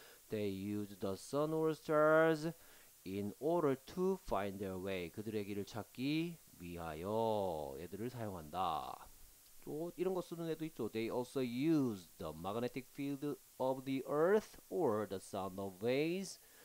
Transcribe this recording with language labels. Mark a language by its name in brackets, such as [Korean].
[English] They use the sun or stars in order to find their way. [Korean] 그들의 길을 찾기 위하여 얘들을 사용한다. 또 이런 거 쓰는 애도 있죠. [English] They also use the magnetic field of the earth or the sound of waves.